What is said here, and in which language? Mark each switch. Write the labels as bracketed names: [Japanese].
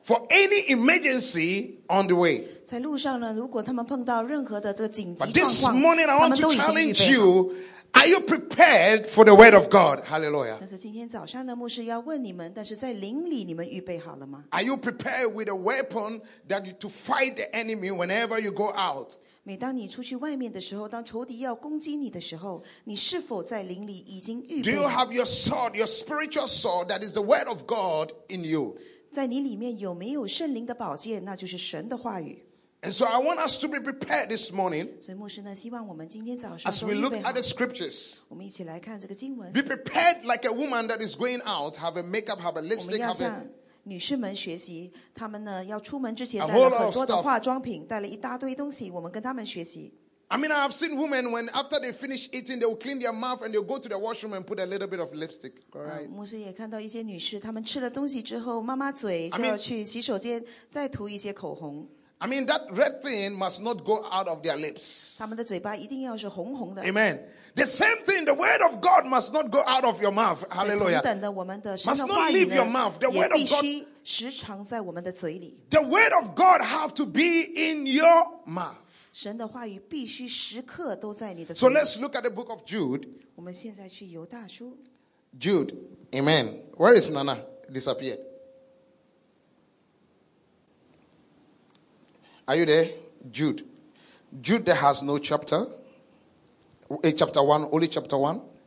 [English] For any emergency on the way. [Chinese] 在路上呢，如果他们碰到任何的这个紧急状况，他们都已经预备好了。 [English] But this morning I want to challenge you. Are you prepared for the word of God? Hallelujah. [Chinese] 但是今天早上的牧师要问你们，但是在灵里你们预备好了吗？ [English] Are you prepared with a weapon that you, to fight the enemy whenever you go out? [Chinese] 每当你出去外面的时候，当仇敌要攻击你的时候，你是否在灵里已经预备？ [English] Do you have your sword, your spiritual sword that is the word of God in you? [Chinese] 在你里面有没有圣灵的宝剑，那就是神的话语。 [English] And so I want us to be prepared this morning. [Chinese] 所以牧师呢，希望我们今天早上都预备好。 [English] As we look at the scriptures, [Chinese] 我们一起来看这个经文。 [English] Be prepared like a woman that is going out, have a makeup, have a lipstick, have a. [Chinese] 我们要向女士们学习，她们呢要出门之前带了很多的化妆品，带了一大堆东西。我们跟她们学习。 [English] I mean, I have seen women when after they finish eating, they will clean their mouth and they'll go to the washroom and put a little bit of lipstick. Right? [Chinese] 牧师也看到一些女士，她们吃了东西之后，抹抹嘴，就要去洗手间再涂一些口红。 [English] I mean, that red thing must not go out of their lips. [Chinese] 他们的嘴巴一定要是红红的。 [English] Amen. The same thing, the word of God must not go out of your mouth. Hallelujah. [Chinese] 等等我们的神的话语呢, [English] must not leave your mouth. The word of God [Chinese] 也必须时常在我们的嘴里。 [English] The word of God have to be in your mouth. [Chinese] 神的话语必须时刻都在你的嘴里。 [English] So let's look at the book of Jude. [Chinese] 我们现在去犹大书。 [English] Jude. Amen. Where is Nana? Disappeared. Are you there? Jude. Jude that has no chapter. A chapter one, only chapter one.